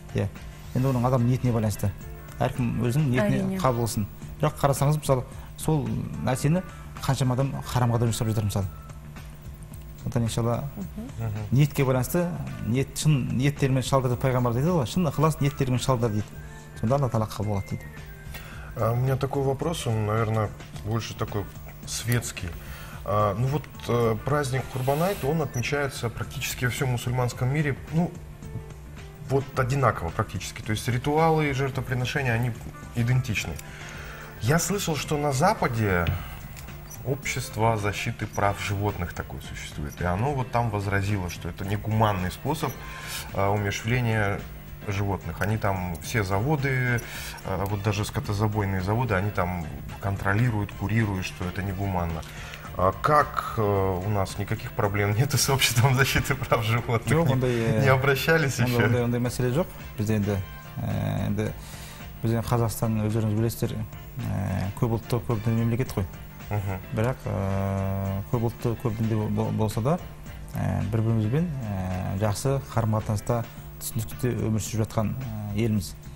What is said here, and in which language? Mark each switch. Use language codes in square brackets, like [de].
[kk] Иә, енді оның адам ниетіне байланысты, әркім өзінің ниетіне қабыл қылсын. Бірақ қарасаңыз мысалы сол нәрсені қаншама адам харамға да жұмсап жатыр мысалы. Сондықтан иншалла ниетке байланысты, ниет шын ниеттермен шалдырды пайғамбар дейді ғой, шын ықылас ниеттермен шалдыр дейді, сонда Алла тағала қабыл алады дейді. [ru] У меня такой вопрос, он, наверное, больше такой светский. Ну вот праздник Курбан-айт, он отмечается практически во всем мусульманском мире, ну, вот одинаково практически. То есть ритуалы и жертвоприношения, они идентичны. Я слышал, что на Западе общество защиты прав животных такое существует. И оно вот там возразило, что это негуманный способ умерщвления животных. Они там все заводы, вот даже скотозабойные заводы, они там контролируют, курируют, что это негуманно. А как у нас никаких проблем нет с обществом защиты прав животных? [kk] Жоқ, [ru] не, не обращались еще? [kk] Ондай мәселе жоқ. Бізде енді, біздің Қазақстан, өздеріңіз білесіздер, көп ұлтты, көп дінді мемлекет қой. Бірақ көп ұлтты, көп дінді болса да, бір-бірімізбен жақсы қарым-қатынаста, түсіністікте өмір сүріп жатқан елміз.